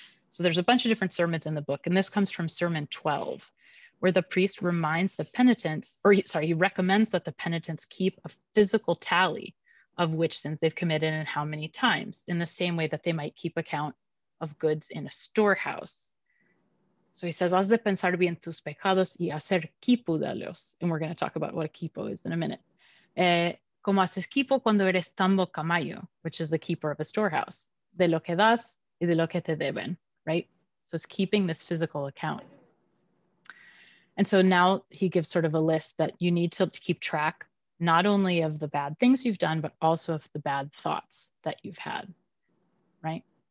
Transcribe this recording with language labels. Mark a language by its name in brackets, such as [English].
[English] So there's a bunch of different sermons in the book, and this comes from Sermon 12, where the priest reminds the penitents, or he recommends that the penitents keep a physical tally of which sins they've committed and how many times, in the same way that they might keep account of goods in a storehouse. [Spanish] So he says, has de pensar bien tus pecados y hacer quipo de los. [English] And we're going to talk about what a quipo is in a minute. [Spanish] Como haces quipo cuando eres tambo camayo, [English] which is the keeper of a storehouse, [Spanish] de lo que das y de lo que te deben, [English] right? So it's keeping this physical account. And so now he gives sort of a list that you need to keep track, not only of the bad things you've done, but also of the bad thoughts that you've had, right?